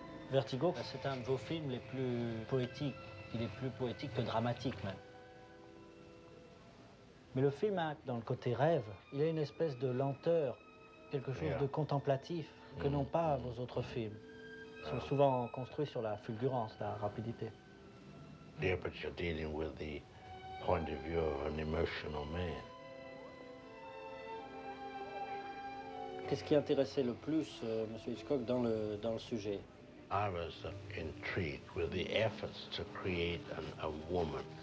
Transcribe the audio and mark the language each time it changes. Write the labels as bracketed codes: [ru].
[fr] Vertigo, c'est un de vos films les plus poétiques. Il est plus poétique que dramatique, même. Mais le film a, dans le côté rêve, il a une espèce de lenteur, quelque chose de contemplatif que n'ont pas vos autres films. Ils sont souvent construits sur la fulgurance, la rapidité. [en] Yeah, but you're dealing with the point of view of an emotional man. [fr] Qu'est-ce qui intéressait le plus, Monsieur Hitchcock, dans le sujet? [en] I was intrigued with the efforts to create a woman.